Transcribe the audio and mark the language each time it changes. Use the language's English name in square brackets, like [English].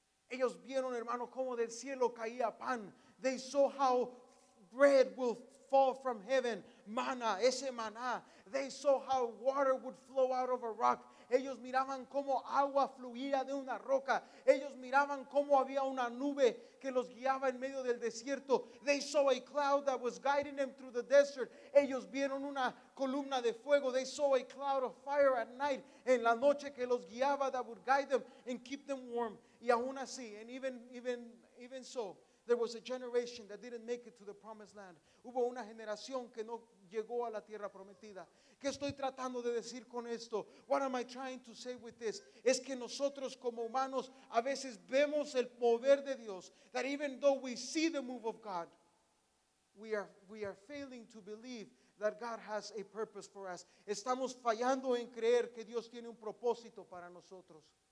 [Spanish] Ellos vieron, hermano, como del cielo caía pan. [English] They saw how bread will fall from heaven. [Spanish] Maná, ese maná. [English] They saw how water would flow out of a rock. [Spanish] Ellos miraban como agua fluía de una roca. Ellos miraban como había una nube que los guiaba en medio del desierto. [English] They saw a cloud that was guiding them through the desert. [Spanish] Ellos vieron una columna de fuego. [English] They saw a cloud of fire at night. [Spanish] En la noche que los guiaba, [English] that would guide them and keep them warm. [Spanish] Y aún así, [English] and even so, there was a generation that didn't make it to the promised land. [Spanish] Hubo una generación que no llegó a la tierra prometida. ¿Qué estoy tratando de decir con esto? [English] What am I trying to say with this? [Spanish] Es que nosotros como humanos a veces vemos el mover de Dios. [English] That even though we see the move of God, we are failing to believe that God has a purpose for us. [Spanish] Estamos fallando en creer que Dios tiene un propósito para nosotros.